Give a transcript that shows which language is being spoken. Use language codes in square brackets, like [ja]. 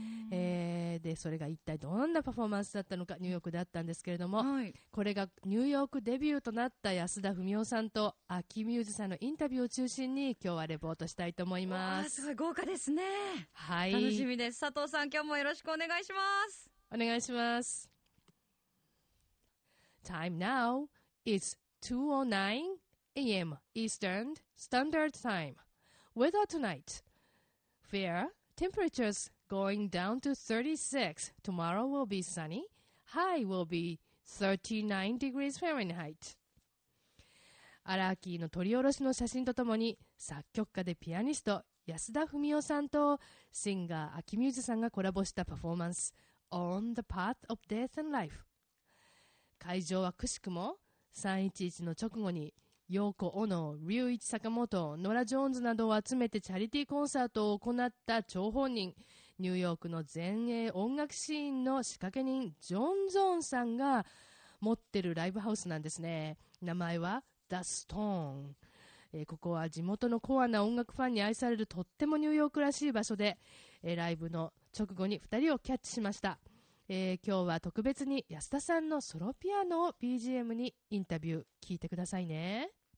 [ja] で、それが一体どんなパフォーマンスだったのか、ニューヨークであったんですけれども、はい、これがニューヨークデビューとなった安田文雄さんとアキミューズさんのインタビューを中心に今日はレポートしたいと思います。すごい豪華ですね。はい、楽しみです。佐藤さん、今日もよろしくお願いします。お願いします。 [en] Time now is 209 AM Eastern Standard Time. Weather tonight. Fair. Temperatures going down to 36. Tomorrow will be sunny. High will be 39 degrees Fahrenheit. [ja] アラーキーの撮り下ろしの写真とともに、作曲家でピアニスト安田文雄さんとシンガーアキミューズさんがコラボしたパフォーマンス On the Path of Death and Life. 会場はくしくも311の直後に陽子、小野、龍一、坂本、ノラ・ジョーンズなどを集めてチャリティーコンサートを行った張本人、ニューヨークの前衛音楽シーンの仕掛け人、ジョン・ゾーンさんが持ってるライブハウスなんですね。名前は The Stone。ここは地元のコアな音楽ファンに愛されるとってもニューヨークらしい場所で、ライブの直後に2人をキャッチしました。今日は特別に安田さんのソロピアノを BGM にインタビュー聞いてくださいね。